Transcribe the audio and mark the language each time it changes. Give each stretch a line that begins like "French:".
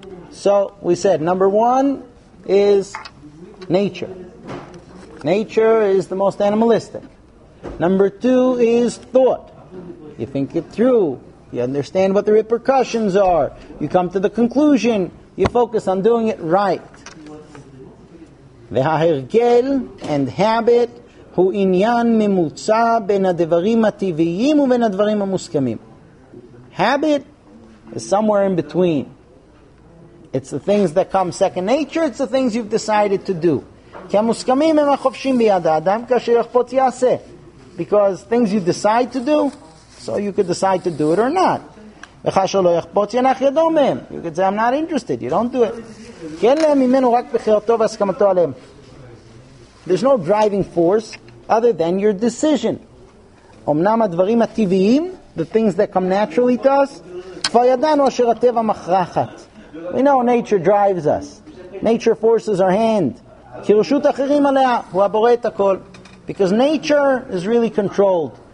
English: So we said number one is nature. Nature is the most animalistic. Number two is thought. You think it through. You understand what the repercussions are. You come to the conclusion. You focus on doing it right. The hahergel and habit,
Hebrew: הוא עניין ממוצע בין הדברים הטבעיים ובין הדברים המוסכמים.
English: Habit is somewhere in between. It's the things that come second nature, it's the things you've decided to do.
Hebrew: כי המוסכמים הם החופשים ביד האדם כאשר יחפוץ יעשה.
English: Because things you decide to do, so you could decide to do it or not.
Hebrew: וכאשר לא יחפוץ ינח ידו מהם.
English: You could say, I'm not interested, you don't do it.
Hebrew: כי אין להם ממנו רק בחירתו והסכמתו עליהם.
English: There's no driving force other than your decision.
Hebrew: Omnam advarim ativiim,
English: the things that come naturally to us,
Hebrew: fayadano asher ateva machrachat.
English: We know nature drives us. Nature forces our hand.
Hebrew: Kirushut achirim alea hu abore et hakol.
English: Because nature is really controlled.